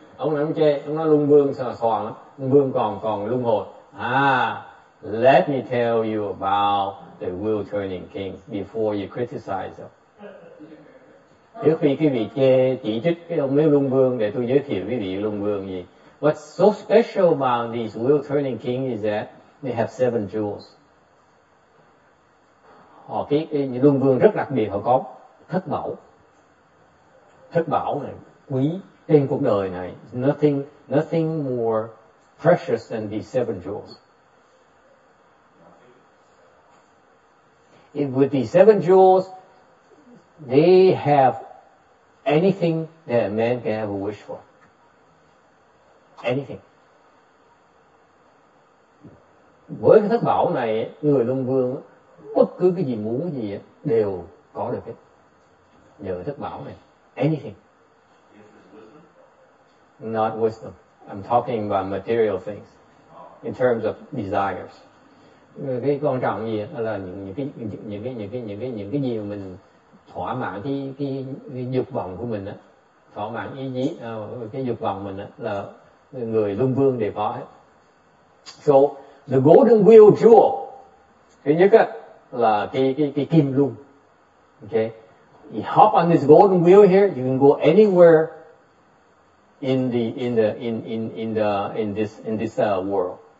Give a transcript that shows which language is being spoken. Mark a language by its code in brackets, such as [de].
[vi] Ông nói chê, ông nói luân vương sao xoàng lắm. Luân vương còn luân hồi. [en] Let me tell you about the wheel-turning king before you criticize them. [vi] Trước khi quý vị chỉ trích cái ông luân vương, để tôi giới thiệu quý vị luân vương gì. [en] What's so special about these wheel-turning kings is that they have seven jewels. [vi] Họ cái luân vương rất đặc biệt, họ có thất bảo. Thất bảo này quý trên cuộc đời này. [en] Nothing more precious than these seven jewels. If with the seven jewels, they have anything that a man can ever wish for. anything. [vi] Với cái thất bảo này, người Long Vương bất cứ cái gì muốn gì đều có được hết. Nhờ thất bảo này, anything. [en] Not wisdom. I'm talking about material things in terms of desires. [vi] Cái quan trọng gì là những cái gì mà mình thỏa mãn cái dục vọng của mình á, thỏa mãn ý chí cái dục vọng mình á, là người Luân Vương đều có hết. [en] So the golden wheel jewel, [vi] thứ nhất á là cái kim luân. [en] Okay, you hop on this golden wheel here, you can go anywhere in this world.